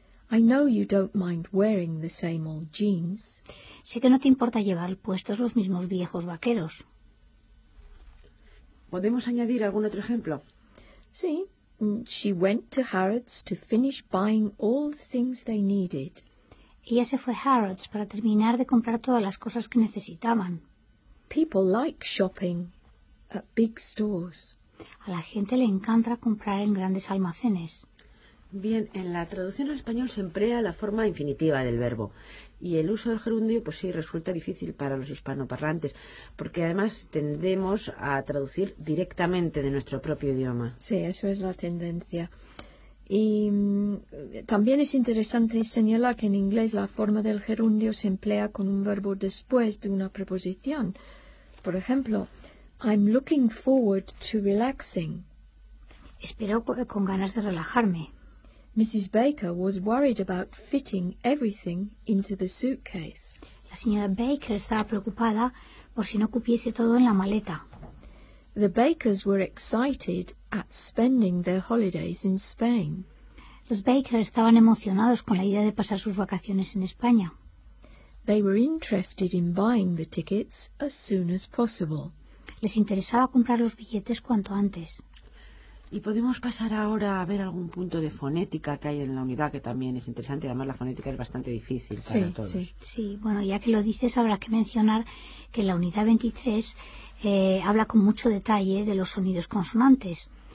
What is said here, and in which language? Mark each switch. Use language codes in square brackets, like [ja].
[en] I know you don't mind wearing the same old jeans. [es] Sé que no te importa llevar puestos los mismos viejos vaqueros. ¿Podemos añadir algún otro ejemplo? Sí. [en] She went to Harrods to finish buying all the things they needed. [es] Ella se fue a Harrods para terminar de comprar todas las cosas que necesitaban. [en] People like shopping at big stores. [es] A la gente le encanta comprar en grandes almacenes. Bien, en la traducción al español se emplea la forma infinitiva del verbo. Y el uso del gerundio, pues sí, resulta difícil para los hispanoparlantes, porque además tendemos a traducir directamente de nuestro propio idioma. Sí, eso es la tendencia. Y también es interesante señalar que en inglés la forma del gerundio se emplea con un verbo después de una preposición. Por ejemplo, [en] I'm looking forward to relaxing. [es] Espero con ganas de relajarme. [en] Mrs. Baker was worried about fitting everything into the suitcase. [es] La señora Baker estaba preocupada por si no cupiese todo en la maleta. [en] The Bakers were excited at spending their holidays in Spain. [es] Los Baker estaban emocionados con la idea de pasar sus vacaciones en España. [en] They were interested in buying the tickets as soon as possible. [es] Les interesaba comprar los billetes cuanto antes. Y podemos pasar ahora a ver algún punto de fonética que hay en la unidad, que también es interesante. Además, la fonética es bastante difícil para todos. Sí, bueno, ya que lo dices, habrá que mencionar que la unidad 23 habla con mucho detalle de los sonidos consonantes.